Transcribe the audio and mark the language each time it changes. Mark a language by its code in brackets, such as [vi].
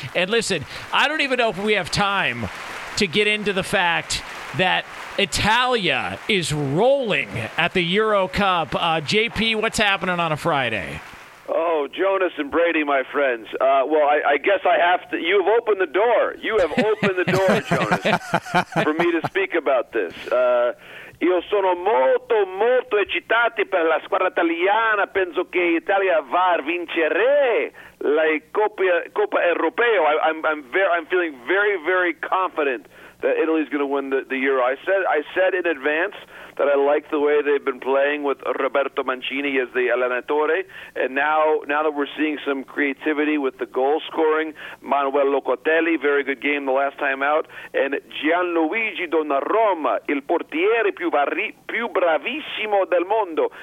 [en] And listen, I don't even know if we have time to get into the fact that Italia is rolling at the Euro Cup. JP, what's happening on a Friday? Oh, Jonas and Brady, my friends. Well, I guess I have to. You've opened the door. You have opened the door, Jonas, for me to speak about this. [it] Io sono molto, molto eccitato per la squadra italiana. Penso che Italia va a vincere la Coppa Europea. [en] I'm feeling very, very confident that Italy's going to win the Euro. I said in advance that I like the way they've been playing with Roberto Mancini as the allenatore, and now that we're seeing some creativity with the goal scoring, Manuel Locatelli, very good game the last time out, and Gianluigi Donnarumma, [it] il portiere più bravissimo del mondo.